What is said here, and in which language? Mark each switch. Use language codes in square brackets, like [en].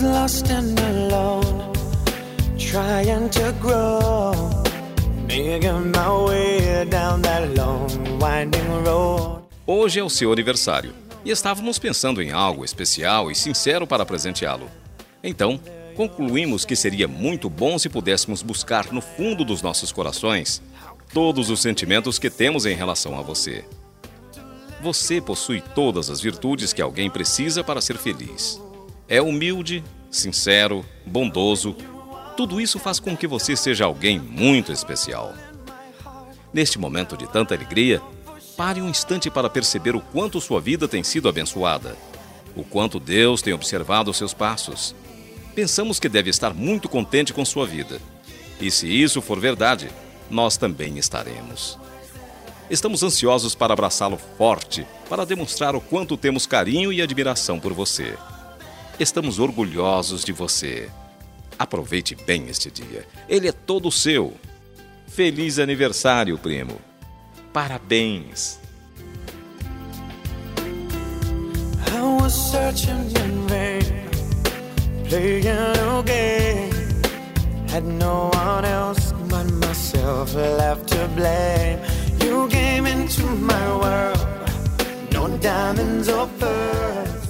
[en] lost and alone, trying to grow, making my way down that long winding road. [pt] Hoje é o seu aniversário e estávamos pensando em algo especial e sincero para presenteá-lo. Então, concluímos que seria muito bom se pudéssemos buscar no fundo dos nossos corações todos os sentimentos que temos em relação a você. Você possui todas as virtudes que alguém precisa para ser feliz. É humilde, sincero, bondoso. Tudo isso faz com que você seja alguém muito especial. Neste momento de tanta alegria, pare um instante para perceber o quanto sua vida tem sido abençoada. O quanto Deus tem observado os seus passos. Pensamos que deve estar muito contente com sua vida. E se isso for verdade, nós também estaremos. Estamos ansiosos para abraçá-lo forte, para demonstrar o quanto temos carinho e admiração por você. Estamos orgulhosos de você. Aproveite bem este dia. Ele é todo seu. Feliz aniversário, primo. Parabéns. [en] I was searching in vain, playing a game. Had no one else but myself left to blame. You came into my world, no diamonds or pearls.